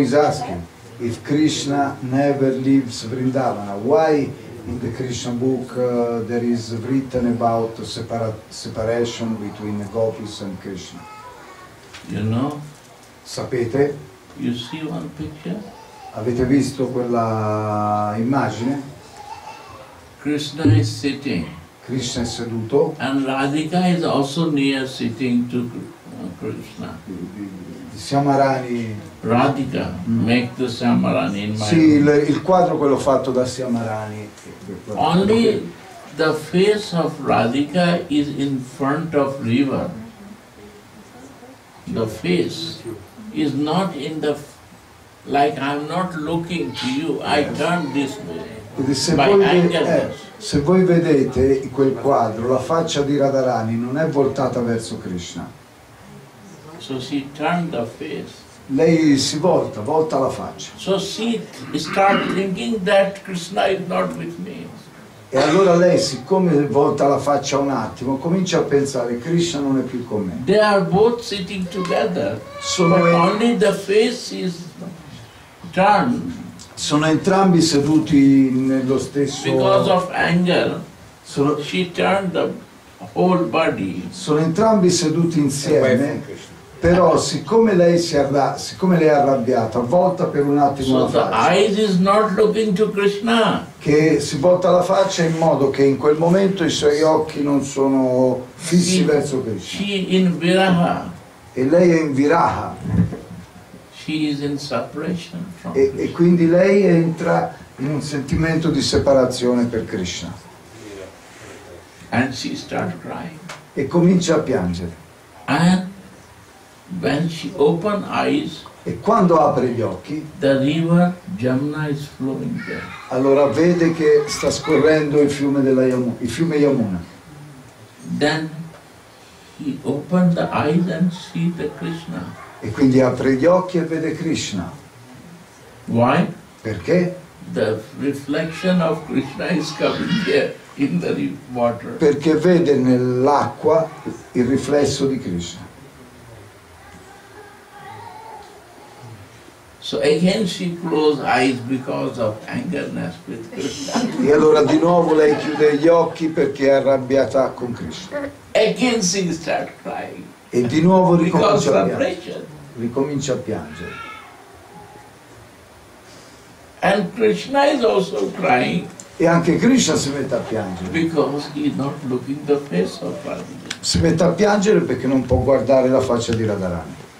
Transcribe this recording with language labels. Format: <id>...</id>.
<en>is asking, if Krishna never leaves Vrindavana, why in the Krishna book there is written about separation between the gopis and Krishna? You know?</en> <it>Sapete?</it> <en>You see one picture?</en> <it>Avete visto quella immagine?</it> <en>Krishna is sitting.</en> <it>Krishna è seduto.</it> <en>And Radhika is also near sitting to Krishna. Syamarani. Radhika, make the Syamarani in my mind.</en> <it>Sì, il quadro quello fatto da Syamarani.</it> <en>Only the face of Radhika is in front of river. The face is not in the... Like I'm not looking to you, yes. I turn this way.</en> <it>Se voi, Se voi vedete quel quadro, la faccia di Radharani non è voltata verso Krishna.</it> <en>So she turned the face.</en> <it>Lei si volta, volta la faccia.</it> <en>So she start thinking that Krishna is not with me.</en> <it>E allora lei, siccome volta la faccia un attimo, comincia a pensare: Krishna non è più con me.</it> <en>They are both sitting together.</en> <it>Sono</it> <en>only the face is turned.</en> <it>Sono entrambi seduti nello stesso.</it> <en>Because of anger, she turned the whole body.</en> <it>Sono entrambi seduti insieme. Però siccome lei si arra- siccome lei è arrabbiata, volta per un attimo la faccia.</it> <en>The eyes is not looking to Krishna.</en> <it>Che si volta la faccia in modo che in quel momento i suoi occhi non sono fissi</it> <en>she,</en> <it>verso Krishna.</it> <en>She in viraha.</en> <it>E lei è in viraha.</it> <en>She is in separation from Krishna.</en> <it>E quindi lei entra in un sentimento di separazione per Krishna.</it> <en>And she starts crying.</en> <it>E comincia a piangere.</it> <en>And when she open eyes,</en> <it>e quando apre gli occhi,</it> <en>the river Jamuna is flowing there.</en> <it>Allora vede che sta scorrendo il fiume della Yamuna, il fiume Yamuna.</it> <en>Then he open the eyes and see the Krishna.</en> <it>E quindi apre gli occhi e vede Krishna.</it> <en>Why?</en> <it>Perché?</it> <en>The reflection of Krishna is coming here in the water.</en> <it>Perché vede nell'acqua il riflesso di Krishna.</it> <en>So again she closed eyes because of angerness with Krishna.</en> <it>E allora di nuovo lei chiude gli occhi perché è arrabbiata con Krishna.</it> <en>Again she start crying.</en> <it>E di nuovo ricomincia a piangere. Ricomincia a piangere.</it> <en>And Krishna is also crying.</en> <it>E anche Krishna si mette a piangere.</it> <en>Because he is not looking the face of Radharani.</en> <it>Si mette a piangere perché non può guardare la faccia di Radharani.</it>